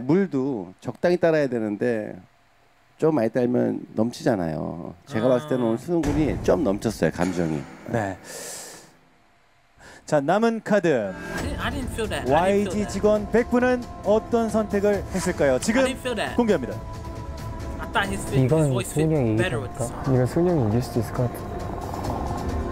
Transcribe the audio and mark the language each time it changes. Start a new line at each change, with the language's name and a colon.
Korean: 물도 적당히 따라야 되는데 좀 많이 따르면 넘치잖아요. 제가 봤을 때는 오늘 수능 군이 좀 넘쳤어요, 감정이. 네. 자, 남은 카드.
English: I didn't feel that.
Korean: YG 직원 100분은 어떤 선택을 했을까요? 지금 공개합니다.
English: I thought his voice fit better with the song.
Korean: 이건 승용이 이길 수도 있을 것 같아.